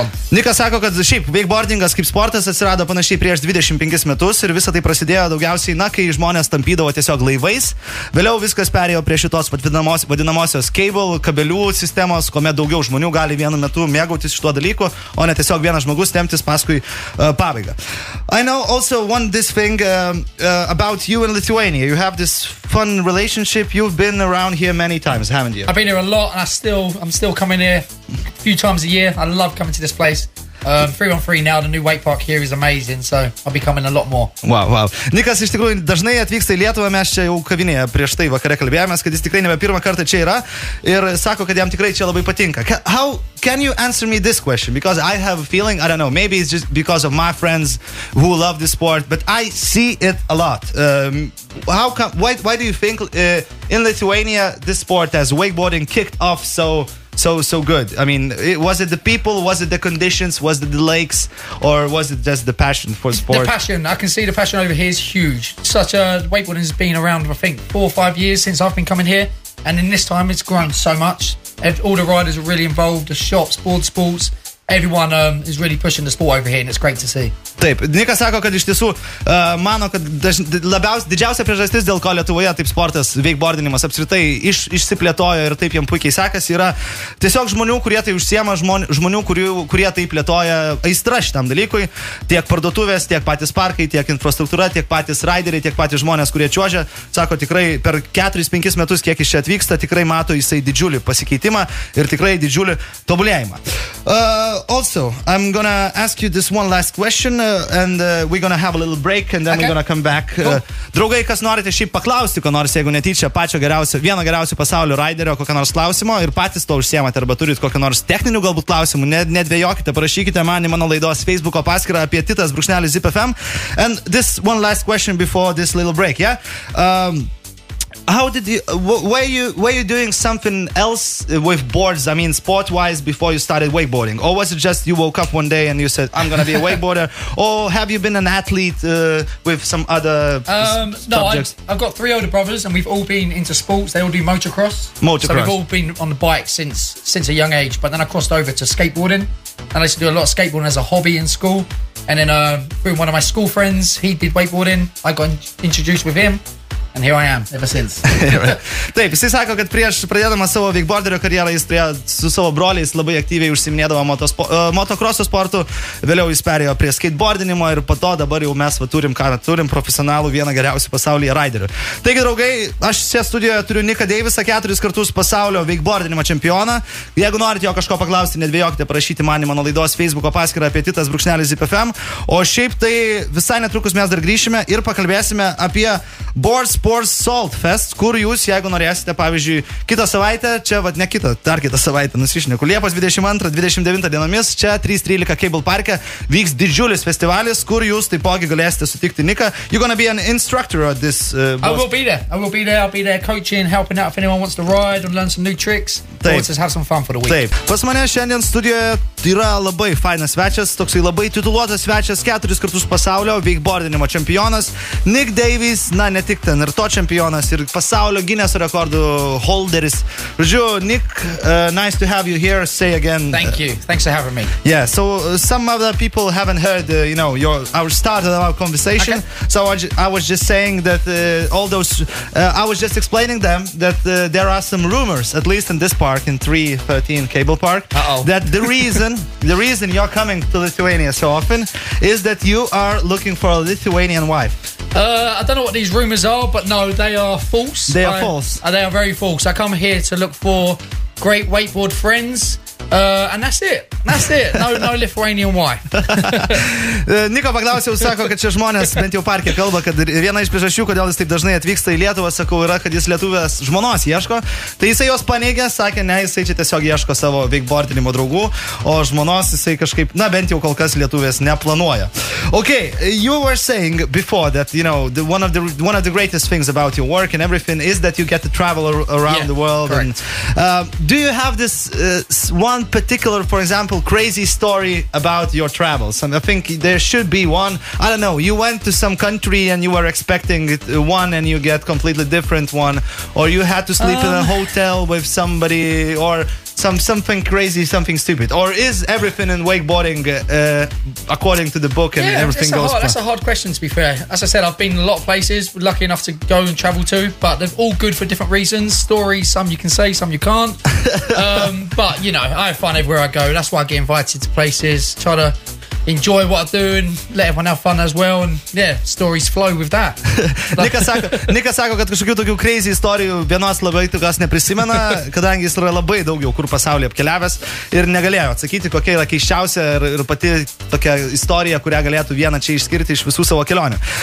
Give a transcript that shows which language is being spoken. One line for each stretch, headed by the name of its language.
Lithuanian: Nikas sako, kad šiaip wakeboardingas kaip sportas atsirado panašiai prieš 25 metus ir visą tai prasidėjo daugiausiai, na, kai žmonės tampydavo tiesiog laivais. Vėliau viskas perėjo prie šitos vadinamosios cable, kabelių sistemos, kuomet daugiau žmonių gali vienu metu mėgautis šituo dalyku, o ne tiesiog vienas žmogus temptis paskui pabaigą.
English: I know also one this thing about you in Lithuania. You have this fun relationship. You've been around here many times, haven't you? I've been here a lot and I'm still coming here a few times a year. I love coming to this place. 313 now, the new wake park here is amazing, so I'll be coming a lot more. Wow.
Lithuanian: Nikas iš tikrųjų dažnai atvyksta į Lietuvą, mes čia jau kavinėje prieš tai vakare kalbėjomės, kad jis tikrai nebe pirmą kartą čia yra ir sako, kad jam tikrai čia labai patinka.
English: How can you answer me this question? Because I have a feeling, I don't know, maybe it's just because of my friends who love this sport, but I see it a lot. Why do you think in Lithuania this sport as wakeboarding kicked off so good? I mean, was it the people, was it the conditions, was it the lakes, or was it just the passion for sport? The passion, I can see the passion over here is huge. Such a wakeboarding has been around, I think, 4 or 5 years since I've been coming here, and in this time it's grown so much. All the riders are really involved, the shops, board sports, everyone is really pushing the sport over here, and it's great to see.
Lithuanian: Taip, Nikas sako, kad iš tiesų mano, kad didžiausia priežastis, dėl ko Lietuvoje taip sportas, veikbordinimas apskritai išsiplėtojo ir taip jam puikiai sekasi, yra tiesiog žmonių, kurie tai užsiema, žmonių, kurie tai plėtoja aistra šitam dalykui, tiek parduotuvės, tiek patys parkai, tiek infrastruktūra, tiek patys raideriai, tiek patys žmonės, kurie čiuožia, sako, tikrai per 4-5 metus, kiek iš čia atvyksta, tikrai mato jisai didžiulį pasikeitimą ir tikrai didžiulį tobulėjimą.
English: also, I'm gonna ask you this one last question, and we're gonna have a little break, and then okay. we're gonna come back. Cool.
Lithuanian: Draugai, kas norite šiaip paklausti, ko nors, jeigu netyčia pačio geriausio, vieno geriausio pasaulio raiderio, kokio nors klausimo, ir patys to užsiemate, arba turit kokio nors techninių galbūt klausimų, nedvėjokite, parašykite man į mano laidos Facebook'o paskyrą apie titas brūkšnelį ZipFM.
English: And this one last question before this little break, yeah? How did you, were you doing something else with boards, I mean, sport-wise, before you started wakeboarding? Or was it just you woke up one day and you said, I'm going to be a wakeboarder? Or have you been an athlete with some other subjects? No, I've got three older brothers and we've all been into sports. They all do motocross. Motocross. So we've all been on the bike since a young age. But then I crossed over to skateboarding. And I used to do a lot of skateboarding as a hobby in school. And then through one of my school friends, he did wakeboarding. I got introduced with him. And here I am, ever since.
Lithuanian: Taip, jis sako, kad prieš pradėdamas savo wakeboarderio karjerą, jis turėjo su savo broliais labai aktyviai užsiminėdavo motocrosso sportu, vėliau jis perėjo prie skateboardinimo ir po to dabar jau mes va, turim, ką turim, profesionalų vieną geriausių pasaulyje raiderių. Taigi, draugai, aš čia studijoje turiu Nicką Davisą, 4 kartus pasaulio wakeboardinimo čempioną. Jeigu norite jo kažko paklausti, nedvėjokite parašyti man į mano laidos Facebook'o paskyrą apie titas brūkšnelis ZipFM. O šiaip tai visai netrukus mes dar grįšime ir pakalbėsime apie boards. Sports Salt Fest, kur jūs, jeigu norėsite, pavyzdžiui, kitą savaitę, čia vat ne kitą, dar kitą savaitę, nusišneku, Liepos 22-29 dienomis, čia 313 Cable Park'e vyks didžiulis festivalis, kur jūs taipogi galėsite sutikti Nicką.
English: You're gonna be an instructor at this... I will be there coaching, helping out if anyone wants to ride and learn some new tricks.
Lithuanian: Taip.
English: Or just have some fun for the week.
Lithuanian: Taip. Pas mane šiandien studijoje yra labai fainas svečias, toksai labai tituluotas svečias, 4 kartus pasaulio wakeboardinimo čempionas, Nick Davis, na, ne tik ten ir to čempionas, ir pasaulio Guinness rekordų holderis. Žodžiu,
English: Nick, nice to have you here, say again. Thank you, thanks for having me. Yeah, so some other people haven't heard, you know, our start of our conversation, okay. So I was just saying that all those, I was just explaining them that there are some rumors, at least in this park, in 313 Cable Park, that the reason, you're coming to Lithuania so often is that you are looking for a Lithuanian wife. I don't know what these rumors are, but no, they are false. They are false. They are very false. I come here to look for great wakeboard friends, and that's it. No Lithuanian wife.
Lithuanian: Niko paklausiau, sako, kad čia žmonės bent jau parke kalba, kad viena iš priežasčių, kodėl jis taip dažnai atvyksta į Lietuvą, sakau, yra, kad jis lietuvės žmonos ieško. Tai jisai jos paneigė, sakė, ne, jisai čia tiesiog ieško savo wakeboardinimo draugų, o žmonos jisai kažkaip, na, bent jau kol kas lietuvės neplanuoja.
English: Okay, you were saying before that, you know, one of the greatest things about your work and everything is that you get to travel around the world. Correct. And, do you have this one particular, for example, crazy story about your travels, and I think there should be one. I don't know, you went to some country and you were expecting one and you get completely different one, or you had to sleep in a hotel with somebody, or something crazy, something stupid, or is everything in wakeboarding according to the book and everything goes That's a hard question, to be fair. As I said, I've been in a lot of places, lucky enough to go and travel to, but they're all good for different reasons. Stories, some you can say, some you can't. But you know, I have fun everywhere I go. That's why I get invited to places, try to enjoy what I do and let everyone have fun as well, and yeah, stories flow with that.
Lithuanian: Nika sako, kad kažkokių tokių crazy istorijų vienos labai tikras neprisimena, kadangi jis yra labai daug jau kur pasaulį apkeliavęs ir negalėjo atsakyti, kokia yra keiščiausia ir pati tokia istorija, kurią galėtų vieną čia išskirti iš visų savo kelionių.